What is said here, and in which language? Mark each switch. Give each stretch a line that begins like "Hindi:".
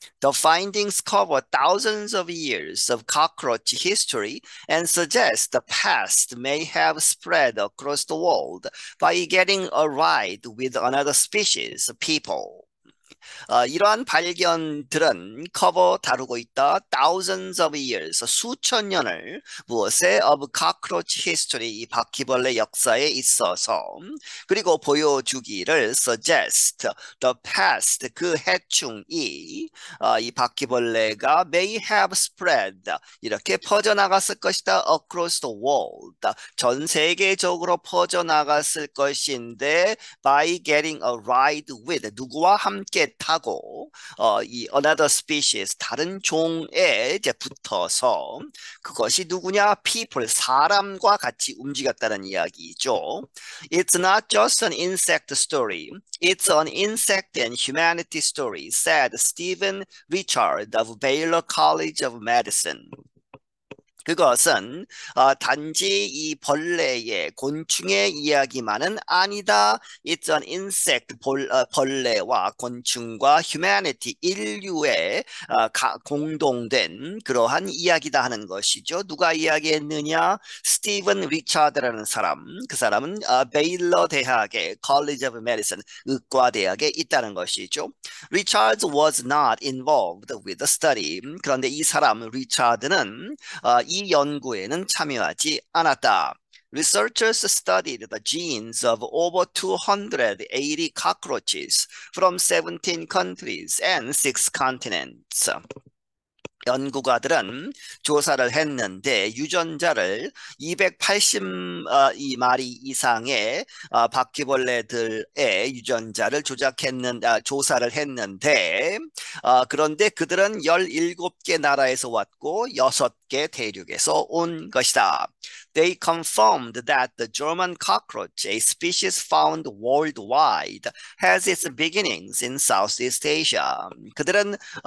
English: The findings cover thousands of years of cockroach history and suggest the pest may have spread across the world by getting a ride with another species, people.
Korean: 이러한 발견들은 커버 다루고 있다.
English: Thousands of years,
Korean: 수천 년을 무엇에?
English: Of cockroach history,
Korean: 이 바퀴벌레 역사에 있어서. 그리고 보여주기를
English: suggest the past,
Korean: 그 해충이 이 바퀴벌레가
English: may have spread,
Korean: 이렇게 퍼져나갔을 것이다.
English: Across the world,
Korean: 전 세계적으로 퍼져나갔을 것인데
English: by getting a ride with,
Korean: 누구와 함께 타고 이
English: another species
Korean: 다른 종에 이제 붙어서 그것이 누구냐? People 사람과 같이 움직였다는 이야기죠.
English: It's not just an insect story. It's an insect and humanity story, said Stephen Richard of Baylor College of Medicine.
Korean: 그것은 단지 이 벌레의 곤충의 이야기만은 아니다.
English: It's an insect
Korean: 벌레와 곤충과 humanity 인류의 공동된 그러한 이야기다 하는 것이죠. 누가 이야기했느냐? 스티븐 리차드라는 사람. 그 사람은 베일러 대학의 College of Medicine 의과대학에 있다는 것이죠.
English: Richard was not involved with the study.
Korean: 그런데 이 사람 리차드는 이 연구에는 참여하지 않았다.
English: Researchers studied the genes of over 280 cockroaches from 17 countries and 6 continents.
Korean: 연구가들은 조사를 했는데 유전자를 280마리 이상의 바퀴벌레들의 유전자를 조사를 했는데 그런데 그들은 17개 나라에서 왔고 6개 대륙에서 온 것이다.
English: They confirmed that the German cockroach, a species found worldwide, has its beginnings in Southeast Asia.
Korean: 그들은